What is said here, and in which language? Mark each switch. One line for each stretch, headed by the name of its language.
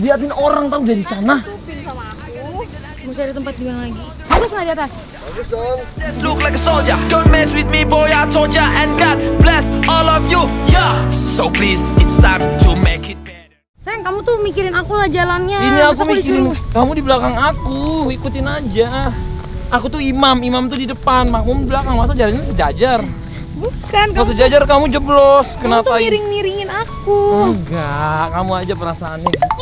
Indonesian: Liatin orang tau dari sana. Mau cari tempat juga lagi. Bagus gak di atas? Bagus dong.
English: Just look like a soldier. Don't mess with me boy I told ya. And God bless all of you. Yeah. So please it's time to make it.
Indonesian: Sayang, kamu tuh mikirin aku lah jalannya. Ini aku mikirin, kamu di belakang aku, ikutin aja. Aku tuh imam, imam tuh di depan, makmum di belakang. Masa jalannya sejajar? Bukan, kalau sejajar kamu jeblos. Kenapa? Kamu tuh miring-miringin aku. Enggak, kamu aja perasaannya.